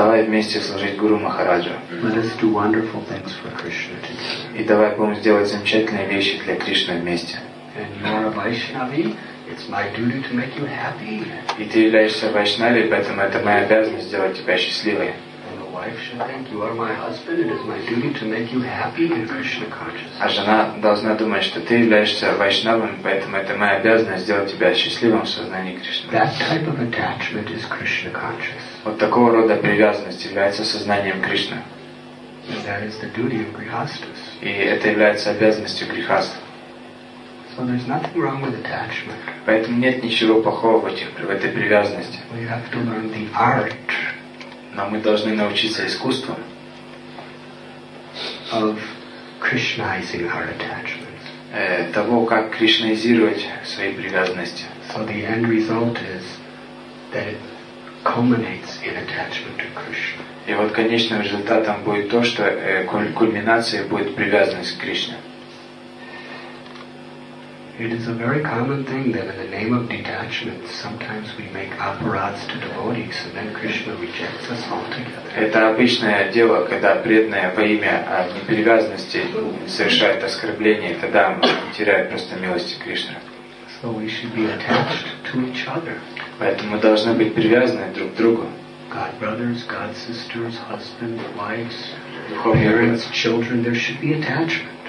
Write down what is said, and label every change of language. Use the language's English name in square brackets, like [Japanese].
[Russian] Давай вместе служить Гуру Махараджу. [English] Let us do wonderful things for Krishna together. [Russian] И давай будем сделать замечательные вещи для Кришны вместе. [English] And you are a Vaishnavi. It's my duty to make you happy. [Russian] И ты являешься Вайшнави, поэтому это моя обязанность сделать тебя счастливой. [English] And the wife should think you are my husband. It is my duty to make you happy in Krishna consciousness. [Russian] А жена должна думать, что ты являешься Вайшнавом, поэтому это моя обязанность сделать тебя счастливым в сознании Кришны. [English] That type of attachment is Krishna consciousness. [Russian] Вот такого рода привязанность является сознанием Кришны. [English] And that is the duty of grihasthas. [Russian] И это является обязанностью грихаст. [English] So there's nothing wrong with attachment. [Russian] Поэтому нет ничего плохого в этой привязанности. [English] We have to learn the art. [Russian] Но мы должны научиться искусству. [English] Of Krishnaizing our attachments. [Russian] Того, как кришнаизировать свои привязанности. [English] So the end result is that it culminates in attachment to Krishna. [Russian] И вот конечным результатом будет то, что кульминацией будет привязанность к Кришне. [English] It is a very common thing that in the name of detachment sometimes we make aparads to devotees and then Krishna rejects us altogether. [Russian] Это обычное дело, когда преданные во имя непривязанности совершают оскорбление, тогда теряют просто милости Кришны. [English] So we should be attached to each other. [Russian] Поэтому мы должны быть привязаны друг к другу. [English] God brothers, God sisters, husbands, wives, parents, children, there should be attachment.